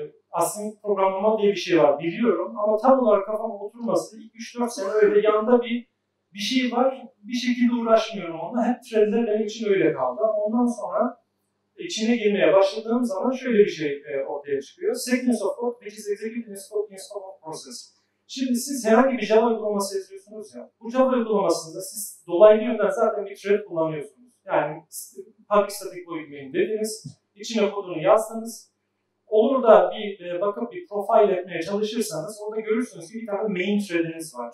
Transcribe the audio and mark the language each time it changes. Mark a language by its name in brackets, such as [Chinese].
[Turkish] Asink programlama diye bir şey var biliyorum ama tam olarak kafam oturması 3-4 sene öyle yanda bir şey var bir şekilde uğraşmıyorum onunla hep trendler benim için öyle kaldı. Ondan sonra içine girmeye başladığım zaman şöyle bir şey ortaya çıkıyor. [English] Sequence of code, which is executed in scope, in scope of process. [Turkish] Şimdi siz herhangi bir Java uygulaması yazıyorsunuz ya, bu Java uygulamasında siz dolaylı yönden zaten bir thread kullanıyorsunuz. Yani public static void main dediniz, içine kodunu yazdınız. Olur da bir bakıp bir profile etmeye çalışırsanız orada görürsünüz ki bir tane main thread'iniz var.